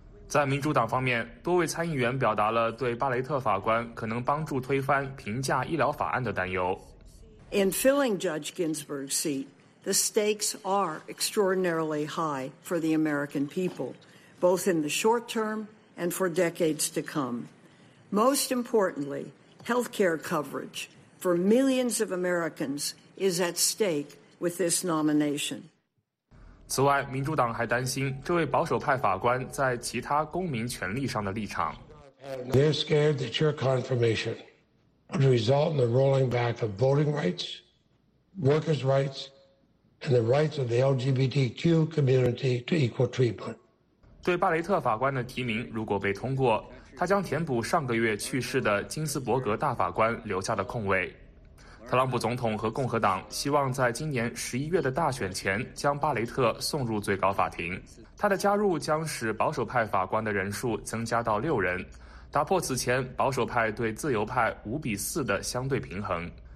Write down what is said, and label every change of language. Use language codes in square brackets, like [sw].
[zh] 在民主党方面，多位参议员表达了对巴雷特法官可能帮助推翻平价医疗法案的担忧。 [en] In filling Judge Ginsburg's seat, the stakes are extraordinarily high for the American people, both in the short term and for decades to come. Most importantly, healthcare coverage for millions of Americans is at stake with this nomination. [zh] 此外，民主党还担心这位保守派法官在其他公民权利上的立场。 [en] They're scared that your confirmation would result in the rolling back of voting rights, workers' rights, and the rights of the LGBTQ community to equal treatment. [zh] 对巴雷特法官的提名如果被通过，他将填补上个月去世的金斯伯格大法官留下的空位。特朗普总统和共和党希望在今年11月的大选前将巴雷特送入最高法庭。他的加入将使保守派法官的人数增加到6人，打破此前保守派对自由派5-4的相对平衡。